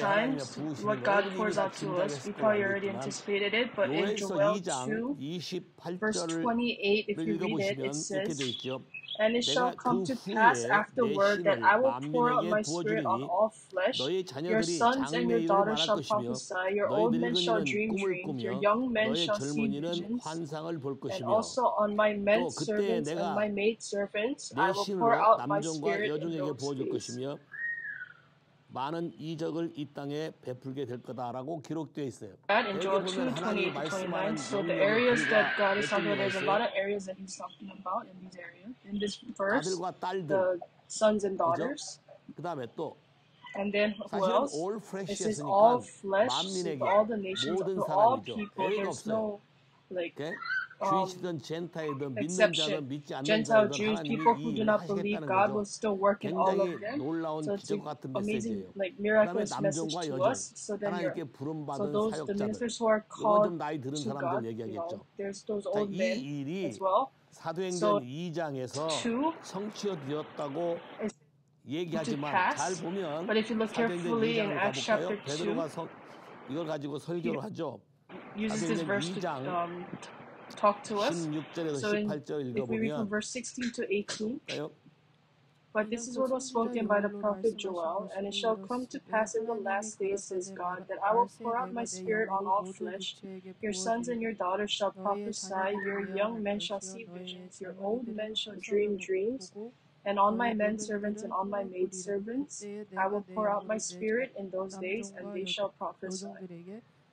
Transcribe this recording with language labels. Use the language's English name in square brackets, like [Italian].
[English] 하나님의 부흥이 what God pours out to us, we probably already anticipated it, but in Joel 2, verse 28, if you read it, it says, And it shall come to pass afterward that I will pour out my spirit on all flesh. Your sons and your daughters shall prophesy, your old men shall dream dreams, your young men shall see visions. And also on my men servants and my maid servants, I will pour out my spirit in those days. [Korean] 많은 이적을 이 땅에 베풀게 될 거다라고 기록되어 있어요. [English] That in Joel 2:28-29, so the areas that God is talking about, there's a lot of areas that He's talking about in these areas. In this verse, [Korean] 아들과 딸들, [English] the sons and daughters. [Korean] 그다음에 또. [English] And then who else? This is all flesh, all the nations, all people. There's no like. Exception. Gentile Jews, people who do not believe, God will still work in all of them. So it's an amazing, like, miraculous message to us. So then, so those the ministers who are called to God, you know, there's those old men as well. [Korean] 사도행전 2장에서 성취되었다고 얘기하지만 잘 보면 [English] But if you look carefully in Acts chapter 2, [Korean] 베드로가 이걸 가지고 설교를 하죠. [English] Uses this verse to talk to us. So if we read from verse 16 to 18, but this is what was spoken by the prophet Joel, and it shall come to pass in the last days, says God, that I will pour out my spirit on all flesh. Your sons and your daughters shall prophesy, your young men shall see visions, your old men shall dream dreams, and on my men servants and on my maid servants, I will pour out my spirit in those days, and they shall prophesy.